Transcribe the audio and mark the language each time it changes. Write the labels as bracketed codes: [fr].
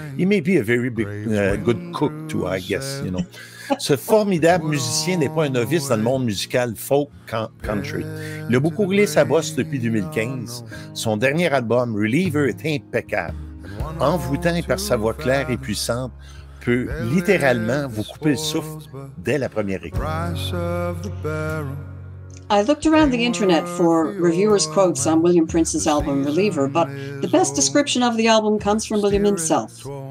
[en] He may be a very big, good cook too, I guess, you know. [fr] Ce formidable musicien n'est pas un novice dans le monde musical folk country. Il a beaucoup roulé sa bosse depuis 2015. Son dernier album, Reliever, est impeccable. Envoûtant par sa voix claire et puissante, peut littéralement vous couper le souffle dès la première écoute. [en] I looked around the internet for reviewers' quotes on William Prince's album Reliever, but the best description of the album comes from William himself.